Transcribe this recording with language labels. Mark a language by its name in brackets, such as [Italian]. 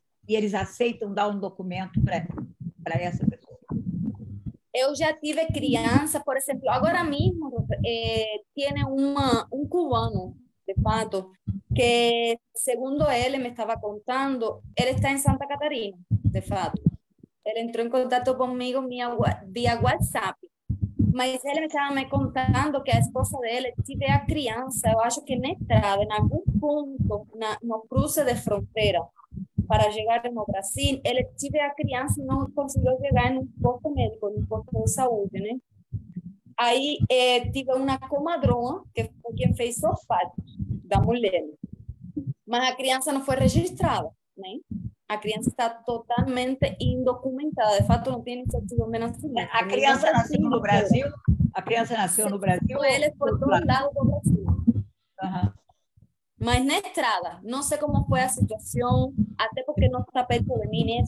[Portuguese] E eles aceitam dar um documento para essa pessoa. Eu já tive criança, por exemplo, agora mesmo, tem um cubano, de fato, que, segundo ele me estava contando, ele está em Santa Catarina, de fato. [Spanish] Él entró en contacto conmigo vía WhatsApp. Mas él me estaba contando que la esposa de él tiene a crianza, yo acho que en entrada, en algún punto, en no cruce de frontera para llegar a Brasil, él tiene a crianza y no consiguió llegar en un posto médico, en un posto de salud. Né? Ahí tuve una comadrona que fue quien fez o parto de la mujer. [Portuguese] mas a criança não foi registrada, né? A criança está totalmente indocumentada, de fato não tem certidão de nascimento. A criança nasceu no Brasil? A criança nasceu no Brasil? Ele foi mandado do Brasil. Mas na estrada, não sei como foi a situação, até porque não está perto de mim, né?